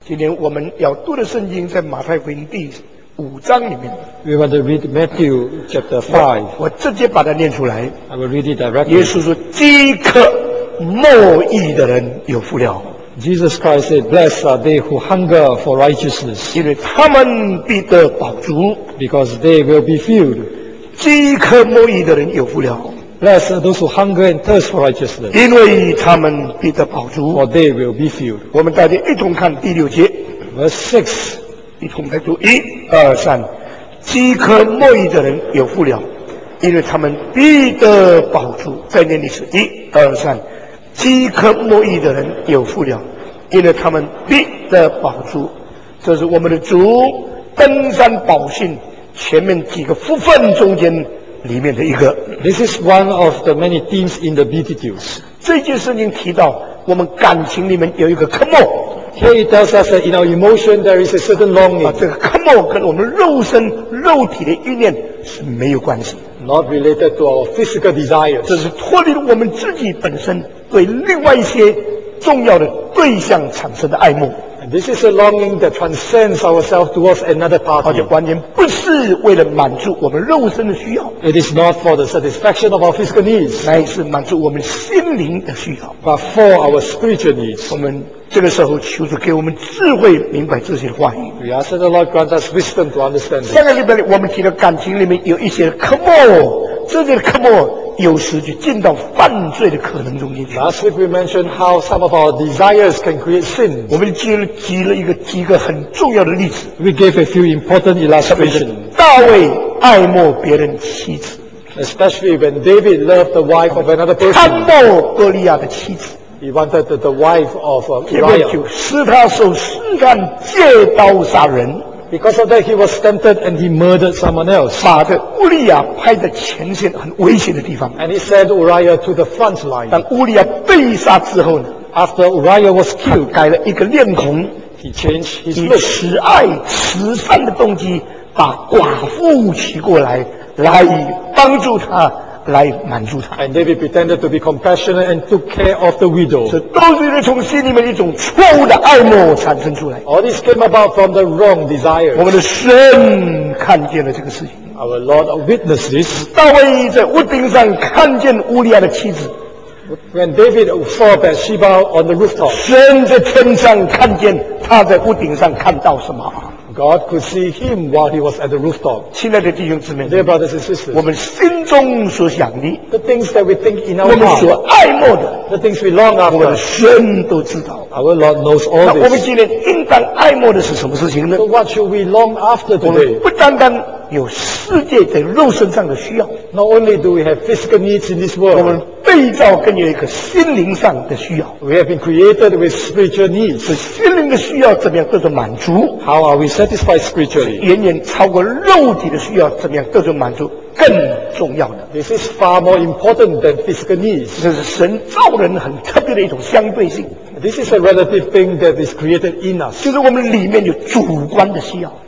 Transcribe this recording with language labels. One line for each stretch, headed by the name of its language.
Chinese: 今天我们要读的圣经在马太福音第五章里面。
English: We want to read Matthew chapter 5.
Chinese: 我直接把它念出来。
English: I will read it directly.
Chinese: 耶稣说：“饥渴慕义的人有福了。”
English: Jesus Christ said, "Blessed are they who hunger for righteousness."
Chinese: 因为他们必得饱足。
English: Because they will be filled.
Chinese: 饥渴慕义的人有福了。
English: Blessed are those who hunger and thirst for righteousness.
Chinese: 因为他们必得饱足。
English: For they will be filled.
Chinese: 我们大家一同看第六节。
English: Verse 6.
Chinese: 一同来读。一、二、三。饥渴慕义的人有福了。因为他们必得饱足。再念一次。一、二、三。饥渴慕义的人有福了。因为他们必得饱足。这是我们的主登山宝训前面几个福分中间里面的一个。
English: This is one of the many themes in the Beatitudes.
Chinese: 这句圣经提到我们感情里面有一个渴慕。
English: Here it tells us that in our emotion there is a certain longing.
Chinese: 这个渴慕跟我们肉身肉体的欲念是没有关系。
English: Not related to our physical desires.
Chinese: 这是脱离了我们自己本身对另外一些重要的对象产生的爱慕。
English: And this is a longing that transcends ourselves towards another party.
Chinese: 而且完全不是为了满足我们肉身的需要。
English: It is not for the satisfaction of our physical needs.
Chinese: 乃是满足我们心灵的需要。
English: But for our spiritual needs.
Chinese: 我们这个时候求主给我们智慧明白这些话语。
English: We ask that the Lord grant us wisdom to understand it.
Chinese: 上个礼拜我们提到感情里面有一些的渴慕，这些的渴慕有时就进到犯罪的可能中间去。
English: Last week we mentioned how some of our desires can create sin.
Chinese: 我们举了几个很重要的例子。
English: We gave a few important illustrations.
Chinese: 大卫爱慕别人妻子。
English: Especially when David loved the wife of another person.
Chinese: 贪慕哥利亚的妻子。
English: He wanted the wife of Uriah.
Chinese: 就使他受试探，借刀杀人。
English: Because of that, he was tempted and he murdered someone else.
Chinese: 把这乌利亚派在前线很危险的地方。
English: And he sent Uriah to the front line.
Chinese: 当乌利亚被杀之后呢
English: ？After Uriah was killed,
Chinese: 改了一个脸孔。
English: He changed his look.
Chinese: 以慈爱、慈善的动机，把寡妇娶过来，来帮助他，来满足他。
English: And David pretended to be compassionate and took care of the widow.
Chinese: 这都是从心里面一种错误的爱慕产生出来。
English: All this came about from the wrong desire.
Chinese: 我们的神看见了这个事情。
English: Our Lord witnessed this.
Chinese: 大卫在屋顶上看见乌利亚的妻子。
English: When David saw Bathsheba on the rooftop.
Chinese: 神在天上看见他在屋顶上看到什么。
English: God could see him while he was at the rooftop.
Chinese: 亲爱的弟兄姊妹
English: Dear brothers and sisters,
Chinese: 我们心中所想的
English: The things that we think in our
Chinese: 我们所爱慕的
English: The things we long after,
Chinese: 我们神都知道
English: Our Lord knows all this.
Chinese: 那我们今天应当爱慕的是什么事情呢
English: So what should we long after today?
Chinese: 我们不单单有世界在肉身上的需要
English: Not only do we have physical needs in this world,
Chinese: 我们被造更有一个心灵上的需要
English: We have been created with spiritual needs.
Chinese: 是心灵的需要怎么样得到满足
English: How are we satisfied spiritually?
Chinese: 远远超过肉体的需要怎么样得到满足更重要的
English: This is far more important than physical needs.
Chinese: 这是神造人很特别的一种相对性
English: This is a relative thing that is created in us.
Chinese: 就是我们里面有主观的需要